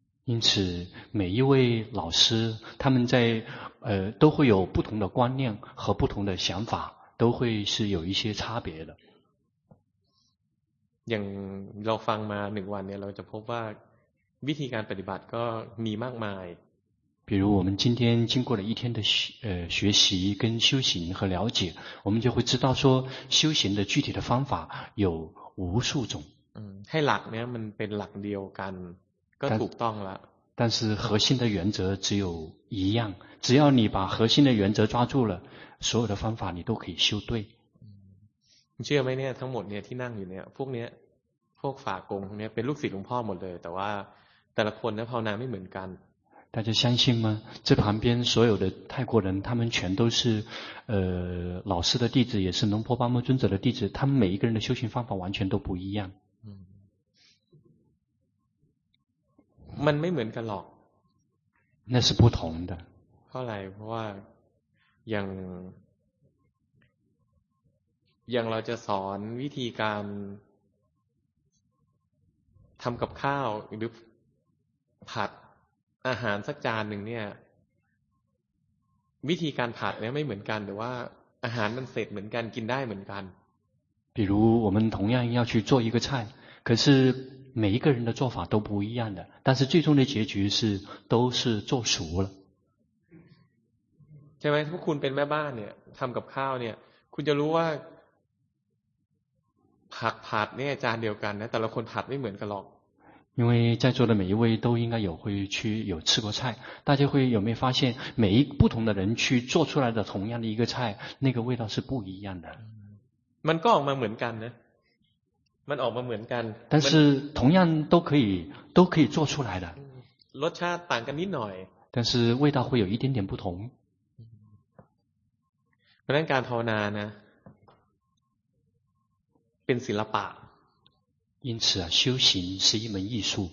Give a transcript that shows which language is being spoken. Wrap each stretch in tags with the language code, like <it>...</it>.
<zh>因此每一位老师他们在都会有不同的观念和不同的想法都会是有一些差别的</zh> <th>อย่างเราฟังมา1วันเนี่ยเราจะพบว่าวิธีการปฏิบัติก็มีมากมาย</th> <zh>比如我们今天经过了一天的学习跟修行和了解我们就会知道说修行的具体的方法有无数种</zh> <th>ให้หลักเนี่ยมันเป็นหลักเดียวกันก็ถูกต้องละ</th> <zh>但是核心的原则只有一样只要你把核心的原则抓住了所有的方法你都可以修对你</zh> <th>เชื่อไหมเนี่ยทั้งหมดเนี่ยที่นั่งอยู่เนี่ยพวกเนี้ยพวกฝากงเนี่ยเป็นลูกศิษย์หลวงพ่อหมดเลยแต่ว่าแต่ละคนเนี่ยภาวนาไม่เหมือนกัน</th> <zh>大家相信吗这旁边所有的泰国人他们全都是老师的弟子也是龙婆巴木尊者的弟子他们每一个人的修行方法完全都不一样</zh> <th>มันไม่เหมือนกันหรอก</th> <zh>那是不同的</zh> <th>เพราะอะไรเพราะว่าอย่างเราจะสอนวิธีการทำกับข้าวหรือผัดอาหารสักจานหนึ่งเนี่ยวิธีการผัดเนี่ยไม่เหมือนกันหรือว่าอาหารมันเสร็จเหมือนกันกินได้เหมือนกัน</th> <zh>比如我们同样要去做一个菜可是每一个人的做法都不一样的但是最终的结局是都是做熟了</zh> <th>ใช่ไหมถ้าคุณเป็นแม่บ้านเนี่ยทำกับข้าวเนี่ยคุณจะรู้ว่าผักผัดเนี่ยจานเดียวกันนะแต่ละคนผัดไม่เหมือนกันหรอก</th> <zh>因为在座的每一位都应该有会去有吃过菜大家会有没有发现每一不同的人去做出来的同样的一个菜那个味道是不一样的</zh> <th>มันก็ออกมาเหมือนกันนะมันออกมาเหมือนกัน</th> <zh>但是同样都可以做出来的</zh> <th>รสชาติต่างกันนิดหน่อย</th> <zh>但是味道会有一点点不同</zh> <th>เพราะนั้นการภาวนานะเป็นศิลปะ</th> <zh>因此啊修行是一门艺术</zh>